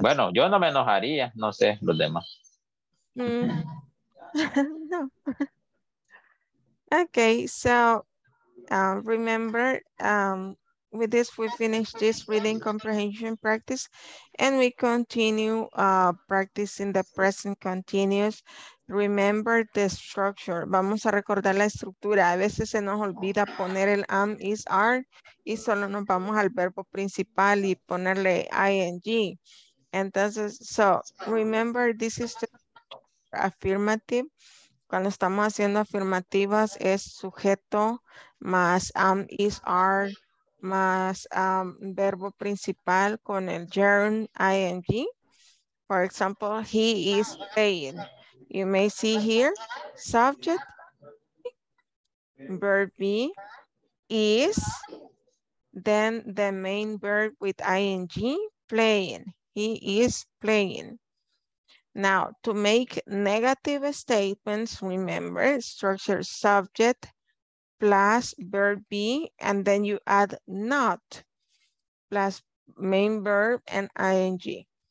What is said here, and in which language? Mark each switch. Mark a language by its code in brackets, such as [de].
[es] Bueno, yo no me enojaría, no sé, los demás. No. [en] Okay, so remember, with this, we finish this reading comprehension practice, and we continue practicing the present continuous. Remember the structure. [es] Vamos a recordar la estructura. A veces se nos olvida poner el am, is, are, y solo nos vamos al verbo principal y ponerle ing. [en] Entonces, so remember, this is the affirmative. [es] Cuando estamos haciendo afirmativas, es sujeto más am, is, are, más verbo principal con el gerund ing. [en] For example, he is paying. You may see here, subject, verb be, is, then the main verb with ing, playing. He is playing. Now, to make negative statements, remember, structure subject plus verb be, and then you add not plus main verb and ing.